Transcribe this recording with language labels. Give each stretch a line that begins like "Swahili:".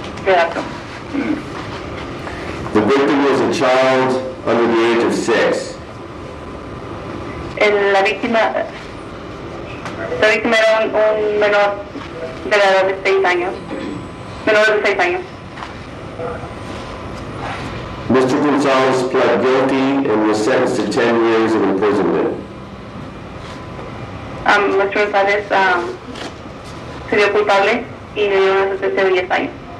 English: The victim was a child under the age of 6.
Spanish: La víctima era un menor de la edad de 6 años. Menor de 6 años.
English: Mr. Gonzalez pled guilty and was sentenced to 10 years of imprisonment. Mr.
Spanish: Gonzalez se dio culpable y le dio una sentencia de 10 años.